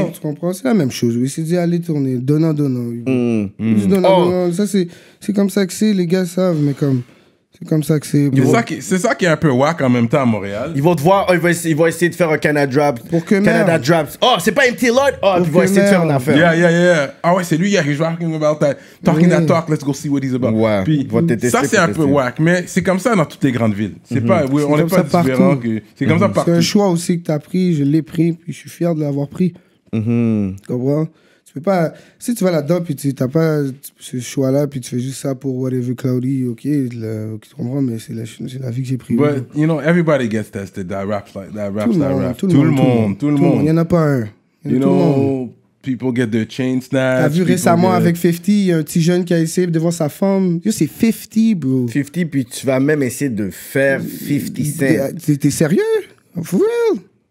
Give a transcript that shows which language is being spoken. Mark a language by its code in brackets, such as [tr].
[fr] Bord, tu comprends? C'est la même chose. Oui, c'est dit, allez tourner, donnant. Donnant. Ça, c'est comme ça que c'est, les gars savent, mais comme. C'est comme ça que c'est. C'est ça qui est un peu wack en même temps à Montréal. Ils vont te voir, ils vont essayer de faire un Canada Drop. Pour que Canada merde. Drop. Oh, c'est pas MT Lord. Oh, ils vont essayer de faire une affaire. [en] Yeah. [fr] Ah ouais, c'est lui, [en] he's talking about that. Talking that talk, let's go see what he's about. [fr] Ouais. Puis, ça, c'est un peu wack, mais c'est comme ça dans toutes les grandes villes. C'est pas, oui, on n'est pas différent. Partout. C'est comme ça partout. C'est un choix aussi que t'as pris, je l'ai pris, puis je suis fier de l'avoir pris. Tu comprends? Tu peux pas, si tu vas là-dedans puis tu n'as pas ce choix-là, puis tu fais juste ça pour whatever, Cloudy, ok, tu comprends, mais c'est la vie que j'ai pris. [en] But, you know, everybody gets tested, that raps, like, that raps, [fr] tout [en] that raps. [fr] Tout le monde. Il n'y en a pas un. [en] People get their chain snatched. [fr] T'as vu récemment avec 50, il y a un petit jeune qui a essayé devant sa femme. Yo, c'est 50, bro. 50, puis tu vas même essayer de faire 50 cents. T'es sérieux? [en] For real?